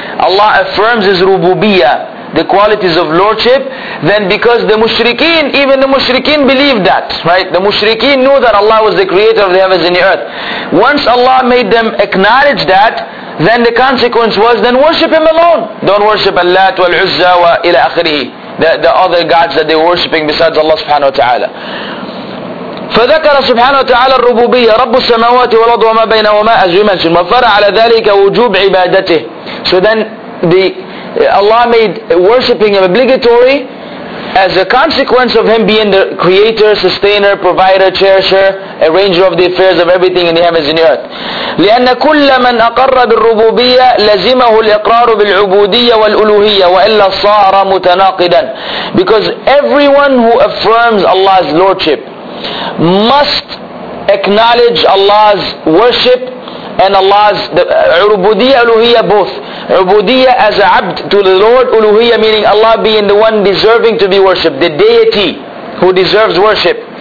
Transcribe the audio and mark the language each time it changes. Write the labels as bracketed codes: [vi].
[en] Allah affirms His rububiyyah, the qualities of lordship, then because the mushrikeen, even the mushrikeen believed that, right? The mushrikeen knew that Allah was the creator of the heavens and the earth. Once Allah made them acknowledge that, then the consequence was, then worship Him alone. Don't worship Allat wal Uzza wa ila akhirihi, the other gods that they were worshipping besides Allah subhanahu wa ta'ala. [ar] فذكر سبحانه وتعالى الربوبية رب السماوات والأرض وما بينهما as we mentioned. وفر على ذلك وجوب عبادته. [en] So then the Allah made worshipping Him obligatory as a consequence of Him being the creator, sustainer, provider, cherisher, arranger of the affairs of everything in the heavens and the earth. [ar] لأن كل من أقر بالربوبية لزمه الإقرار بالعبودية والألوهية وإلا صار متناقضا. [en] Because everyone who affirms Allah's lordship must acknowledge Allah's worship and Allah's عُبُودِيَّة أُلُوهِيَّة both. عُبُودِيَّة as a abd to the Lord, أُلُوهِيَّة meaning Allah being the one deserving to be worshipped, the deity who deserves worship.